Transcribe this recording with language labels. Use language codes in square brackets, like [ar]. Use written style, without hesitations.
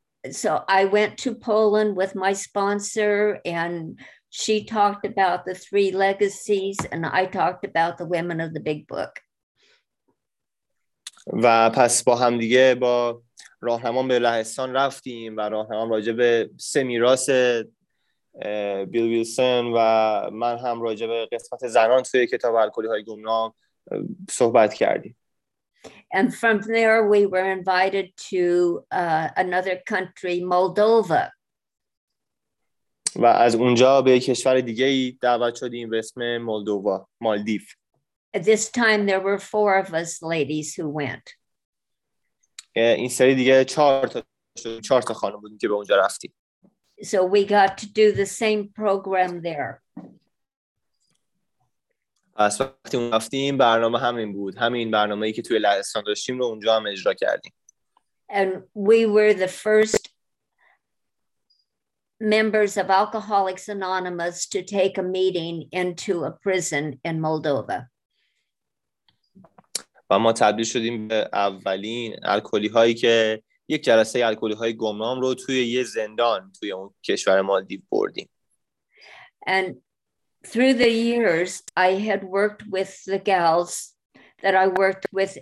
[en] So I went to Poland with my sponsor and she talked about the three legacies and I talked about the women of the big book. [fa] و پس با هم دیگه با راهنمام به لهستان رفتیم و راهنمام راجع به سه میراث بیل ویلسون و من هم راجع به قسمت زنان توی کتاب الکلی های گمنام صحبت کردیم. [en] And from there we were invited to another country, Moldova. [fa] و از اونجا به کشور دیگه‌ای دعوت شدیم به اسم مولدوا، مالدیف. [en] At this time there were four of us ladies who went. [fa] این سری دیگه چهار تا خانم بودیم که به اونجا رفتیم. [en] So we got to do the same program there. [fa] پس وقتی اون رفتیم برنامه همین بود، همین برنامه‌ای که توی لهستان داشتیم رو اونجا هم اجرا کردیم. [en] And we were the first members of Alcoholics Anonymous to take a meeting into a prison in Moldova. [fa] و ما تبدیل شدیم به اولین الکلی‌هایی که یک جلسه الکلی‌های گمنام رو توی یه زندان توی اون کشور مالدیو بردیم. [en] And through the years, I had worked with the gals that I worked with.